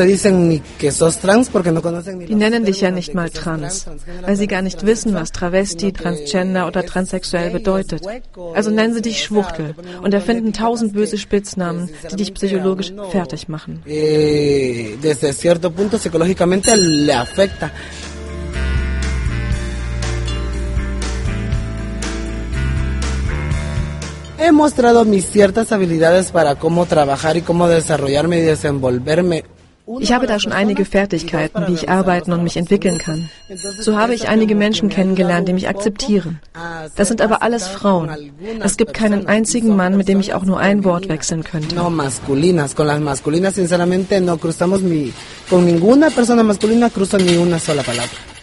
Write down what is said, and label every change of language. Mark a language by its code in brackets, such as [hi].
[de] Die nennen dich ja nicht mal trans, weil sie gar nicht wissen, was Travesti, Transgender oder transsexuell bedeutet. Also nennen sie dich Schwuchtel und erfinden tausend böse Spitznamen, die dich psychologisch fertig machen. [es] Desde cierto punto psicológicamente le afecta. He mostrado mis ciertas habilidades para cómo trabajar y cómo desarrollarme y desenvolverme. [de] Ich habe da schon einige Fertigkeiten, wie ich arbeiten und mich entwickeln kann. So habe ich einige Menschen kennengelernt, die mich akzeptieren. Das sind aber alles Frauen. Es gibt keinen einzigen Mann, mit dem ich auch nur ein Wort wechseln könnte. [es] No masculinas, con las masculinas sinceramente no cruzamos ni con ninguna persona masculina cruzo ni una sola palabra.